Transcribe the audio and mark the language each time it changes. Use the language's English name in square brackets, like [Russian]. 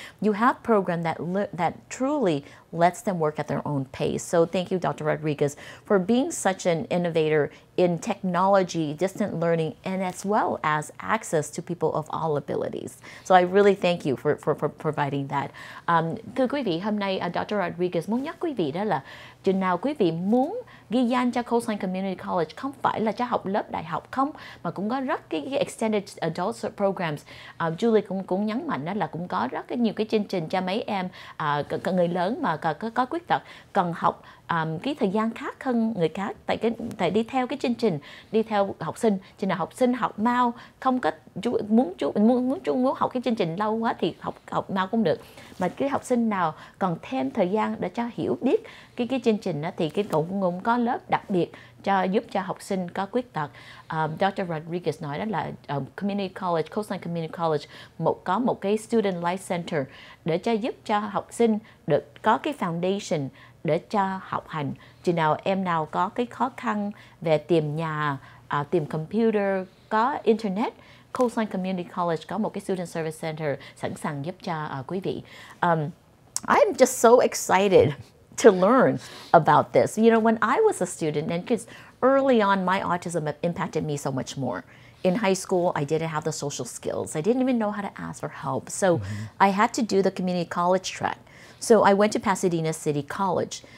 [English] You have program that that truly lets them work at their own pace. So thank you, Dr. Rodriguez, for being such an innovator in technology, distant learning, and as well as access to people of all abilities. So I really thank you for providing that. [Vietnamese] Thưa quý vị, hôm nay Dr. Rodriguez muốn nhắc quý vị đó là chừng nào quý vị muốn ghi danh cho Coastline Community College không phải là cho học lớp đại học không, mà cũng có rất cái [English] extended adult programs. [Vietnamese] Julie cũng nhấn mạnh đó là cũng có rất cái nhiều cái chương trình cho mấy em người lớn mà có khuyết tật cần học cái thời gian khác hơn người khác tại đi theo cái chương trình, đi theo học sinh. Cho nên là học sinh học mau, không có muốn học cái chương trình lâu quá thì học mau cũng được. Mà cái học sinh nào còn thêm thời gian để cho hiểu biết cái chương trình đó thì cái cũng có lớp đặc biệt cho giúp cho học sinh có khuyết tật. Dr. Rodriguez nói đó là Community College, Coastline Community College có một cái Student Life Center để cho giúp cho học sinh được có cái foundation để cho học hành. Chừng nào em nào có cái khó khăn về tìm nhà, tìm computer, có internet, Coastline Community College có một cái Student Service Center sẵn sàng giúp cho quý vị. [English] I'm just so excited to learn about this. You know, when I was a student, and because early on, my autism impacted me so much more. In high school, I didn't have the social skills. I didn't even know how to ask for help. So I had to do the community college track. So I went to Pasadena City College.